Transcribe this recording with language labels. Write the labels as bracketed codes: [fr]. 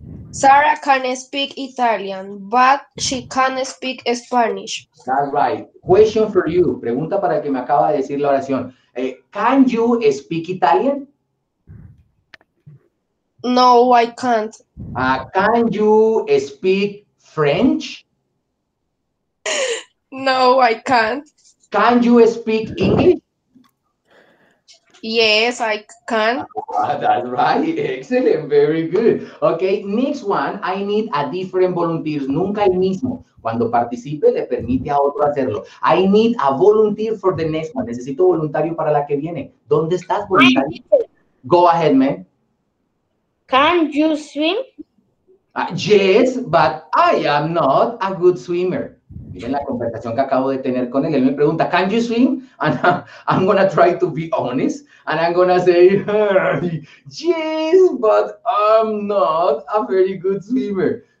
[en] Sarah can speak Italian, but she can't speak Spanish. That's right. Question for you. [es] Pregunta para el que me acaba de decir la oración. [en] Can you speak Italian? No, I can't. Can you speak French? No, I can't. Can you speak English? Yes, I can. That's right. Excellent. Very good. Okay, next one. I need a different volunteer. [es] Nunca el mismo. Cuando participe, le permite a otro hacerlo. [en] I need a volunteer for the next one. [es] Necesito voluntario para la que viene. ¿Dónde estás, voluntario? [en] Go ahead, man. Can you swim? Yes, but I am not a good swimmer. [es] Miren la conversación que acabo de tener con él. Él me pregunta, [en] can you swim? And I'm going to try to be honest. And I'm going to say, yes, but I'm not a very good swimmer.